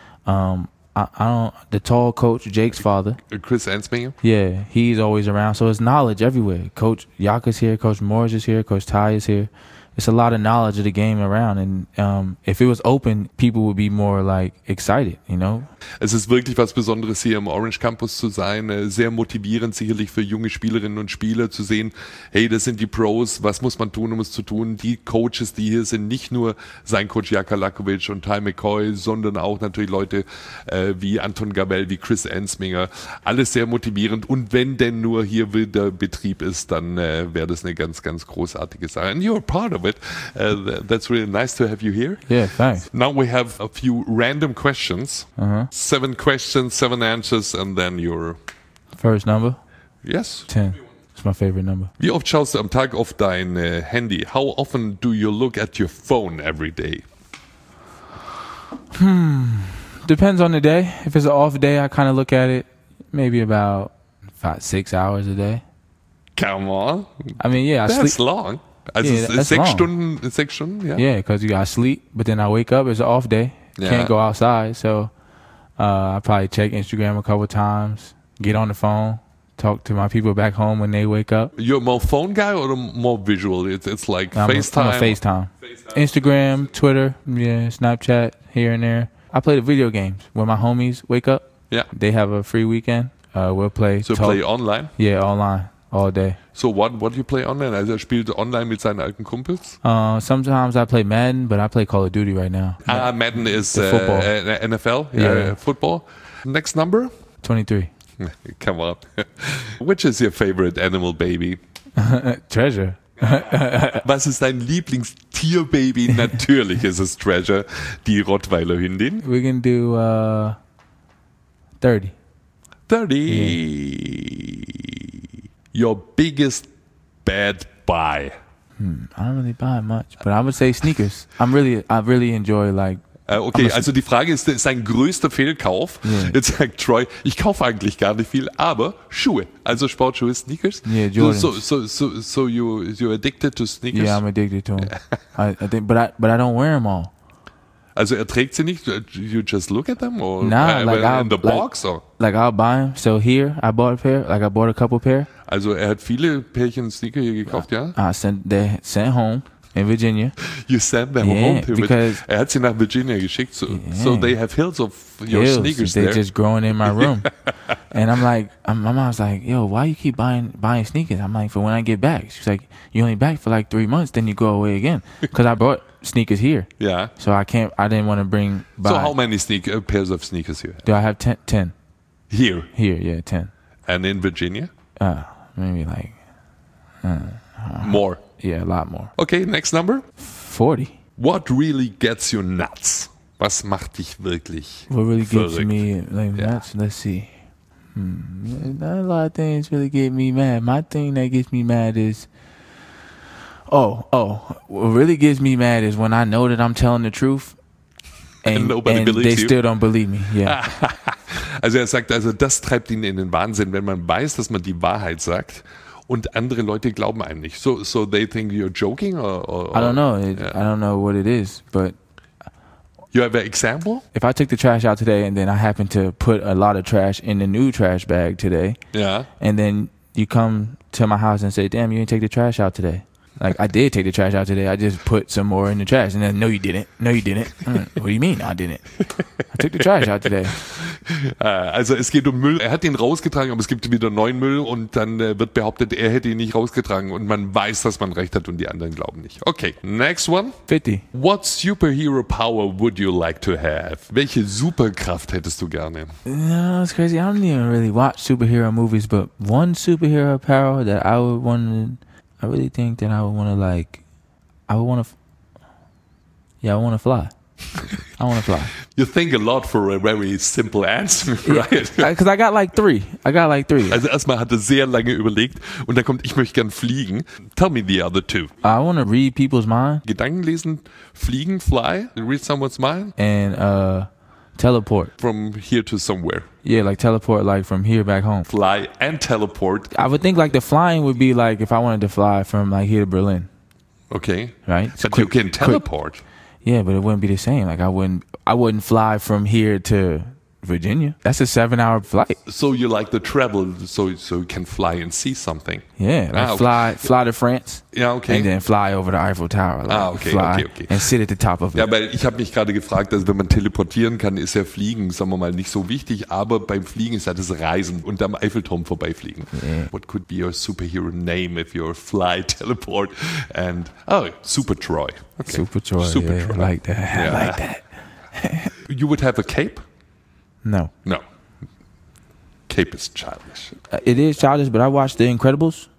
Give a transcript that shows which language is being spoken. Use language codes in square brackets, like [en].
[en] The tall coach, Jake's father. Chris Ansmanium? Yeah, he's always around. So it's knowledge everywhere. Coach Yaka's here. Coach Morris is here. Coach Ty is here. It's a lot of knowledge of the game around, and if it was open, people would be more like excited, you know. [de] Es ist wirklich was Besonderes hier im Orange Campus zu sein. Sehr motivierend sicherlich für junge Spielerinnen und Spieler zu sehen. Hey, das sind die Pros. Was muss man tun, um es zu tun? Die Coaches, die hier sind, nicht nur sein Coach Jaka Lakovic und Ty McCoy, sondern auch natürlich Leute wie Anton Gabell, wie Chris Ansminger. Alles sehr motivierend. Und wenn denn nur hier wieder Betrieb ist, dann wäre das eine ganz, ganz großartige Sache. [en] And you're part of it. That's really nice to have you here. Yeah, thanks. Now we have a few random questions. Uh-huh. 7 questions, 7 answers, and then your first number? Yes. 10. It's my favorite number. [de] Wie oft schaust du am Tag auf dein Handy? [en] How often do you look at your phone every day? Depends on the day. If it's an off day, I kind of look at it maybe about 5-6 hours a day. Come on. I mean, yeah. That's long. Also yeah, that's 6 long. [de] Stunden, [en] yeah, because you got sleep, but then I wake up, it's an off day. Yeah. Can't go outside, so... I probably check Instagram a couple of times, get on the phone, talk to my people back home when they wake up. You're more phone guy or more visual? It's like I'm FaceTime. I'm a FaceTime. Instagram, Twitter, yeah, Snapchat, here and there. I play the video games when my homies wake up. Yeah. They have a free weekend. We'll play. So talk. Play online? Yeah, online, all day. So what do you play online? [de] Also spielt online mit seinen alten Kumpels? [en] Sometimes I play Madden, but I play Call of Duty right now. Ah, Madden is football. NFL, yeah. Football. Next number? 23. Come on. Which is your favorite animal baby? Treasure. [de] Was ist dein Lieblingstierbaby? Natürlich ist es Treasure, die Rottweiler Hündin. [en] We can do 30. 30. Yeah. Your biggest bad buy? I don't really buy much, but I would say sneakers. I really enjoy like... [de] Okay, also die Frage ist, sein größter Fehlkauf? [en] Yeah. [de] Jetzt sagt Troy, ich kaufe eigentlich gar nicht viel, aber Schuhe. Also Sportschuhe, Sneakers? [en] Yeah, Jordans. So you're addicted to sneakers? Yeah, I'm addicted to them. I think, but I don't wear them all. [de] Also trägt sie nicht? [en] You just look at them? Or nah, like in the box? Like, or? Like I'll buy them. So here, I bought a couple pair. [de] Also hat viele Pärchen Sneaker hier gekauft, ja? [en] I sent home in Virginia. You sent them yeah, home to because [de] hat sie nach Virginia geschickt. [en] So, yeah. So they have hills of your hills, sneakers they're there. They're just growing in my room. And my mom's like, yo, why you keep buying sneakers? I'm like, for when I get back. She's like, you only back for like 3 months, then you go away again. Because I brought sneakers here. Yeah. So I didn't want to bring buy. So how many pairs of sneakers here? Do I have 10? 10. Here? Here, yeah, 10. And in Virginia? Maybe like more. Yeah, a lot more. Okay, next number? 40. What really gets you nuts? [de] Was macht dich wirklich [en] What really gets me like nuts? Yeah. Let's see. Not a lot of things really get me mad. My thing that gets me mad is, what really gets me mad is when I know that I'm telling the truth and nobody believes you. Still don't believe me. Yeah. [de] Also er sagt, also das treibt ihn in den Wahnsinn, wenn man weiß, dass man die Wahrheit sagt und andere Leute glauben einem nicht. [en] So they think you're joking or I don't know. I don't know what it is, but you have an example? If I took the trash out today and then I happen to put a lot of trash in the new trash bag today. Yeah. And then you come to my house and say, "Damn, you didn't take the trash out today." Like, I did take the trash out today. I just put some more in the trash. And then, no, you didn't. No, you didn't. What do you mean, I didn't? I took the trash out today. [de] Also, es geht um Müll. Er hat ihn rausgetragen, aber es gibt wieder neuen Müll. Und dann wird behauptet, er hätte ihn nicht rausgetragen. Und man weiß, dass man recht hat und die anderen glauben nicht. [en] Okay, next one. 50. What superhero power would you like to have? [de] Welche Superkraft hättest du gerne? [en] No, it's crazy. I don't even really watch superhero movies. But one superhero power that I would want to... I really think that I would want to like, I want to fly. I want to fly. You think a lot for a very simple answer, right? Because I got like three. [de] Also erstmal hat er sehr lange überlegt und da kommt, ich möchte gern fliegen. [en] Tell me the other two. I want to read people's mind. [de] Gedanken lesen, fliegen, [en] fly, read someone's mind. And teleport. From here to somewhere. Yeah, like teleport, like from here back home. Fly and teleport. I would think like the flying would be like if I wanted to fly from like here to Berlin. Okay. Right? But you can teleport. Yeah, but it wouldn't be the same. Like I wouldn't fly from here to Virginia. That's a 7-hour flight. So you like the travel, so you can fly and see something. Yeah, like fly to France. Yeah, okay. And then fly over the Eiffel Tower. Like okay. And sit at the top of it. [de] Ja, weil ich habe mich gerade gefragt, dass wenn man teleportieren kann, ist ja Fliegen, sagen wir mal, nicht so wichtig. Aber beim Fliegen ist ja das Reisen und am Eiffelturm vorbeifliegen. [en] Yeah. What could be your superhero name if you're fly, teleport, and Super Troy. Okay. Super Troy. Super Troy. I like that. Yeah. I like that. You would have a cape. No. No. Cape is childish. It is childish, but I watched The Incredibles.